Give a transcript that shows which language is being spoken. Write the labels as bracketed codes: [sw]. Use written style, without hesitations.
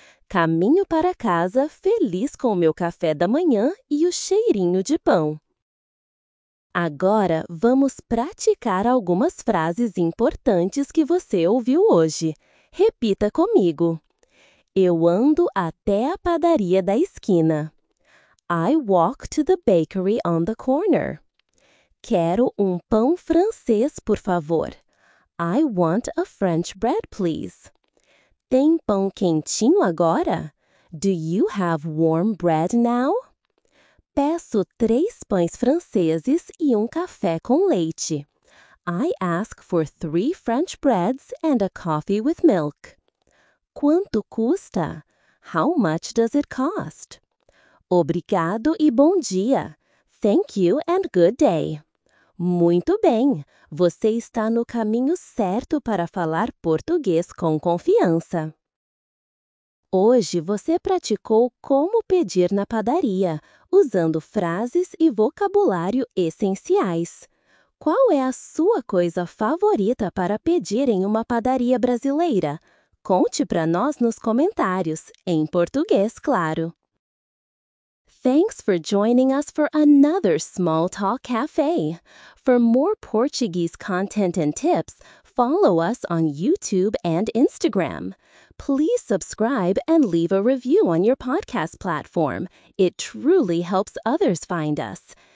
[pt] Caminho para casa feliz com o meu café da manhã e o cheirinho de pão. Agora, vamos praticar algumas frases importantes que você ouviu hoje. Repita comigo. Eu ando até a padaria da esquina. [en] I walk to the bakery on the corner. [pt] Quero um pão francês, por favor. [en] I want a French bread, please. [pt] Tem pão quentinho agora? [en] Do you have warm bread now? [pt] Peço três pães franceses e um café com leite. [en] I ask for three French breads and a coffee with milk. [pt] Quanto custa? [en] How much does it cost? [pt] Obrigado e bom dia. [en] Thank you and good day. [pt] Muito bem. Você está no caminho certo para falar português com confiança. Hoje você praticou como pedir na padaria, usando frases e vocabulário essenciais. Qual é a sua coisa favorita para pedir em uma padaria brasileira? Conte para nós nos comentários, em português, claro. [en] Thanks for joining us for another Small Talk Cafe. For more Portuguese content and tips, follow us on YouTube and Instagram. Please subscribe and leave a review on your podcast platform. It truly helps others find us.